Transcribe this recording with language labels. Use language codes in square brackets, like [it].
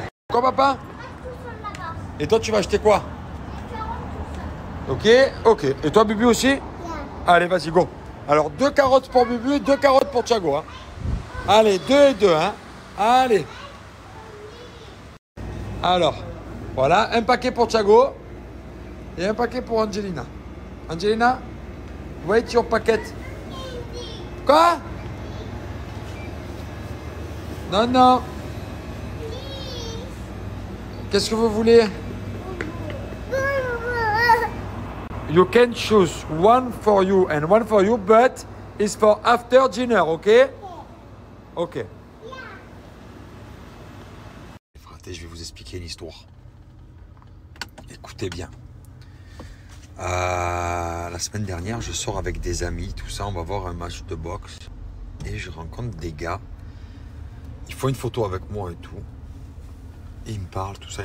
[fr] Quoi papa? Et toi tu vas acheter quoi? Ok, ok. Et toi Bubu aussi? Allez, vas-y, go. Alors deux carottes pour Bubu et deux carottes pour Thiago. Hein. Allez, deux et deux. Hein. Allez. Alors, voilà, un paquet pour Thiago. Et un paquet pour Angelina. [en] Angelina, wait your packet. [fr] Quoi? Non, non. Qu'est-ce que vous voulez? [en] You can choose one for you and one for you, but it's for after dinner, ok? [fr] Ok. Frate, je vais vous expliquer une histoire. Écoutez bien. La semaine dernière, je sors avec des amis, tout ça, on va voir un match de boxe. Et je rencontre des gars. Ils font une photo avec moi et tout. Et ils me parlent, tout ça.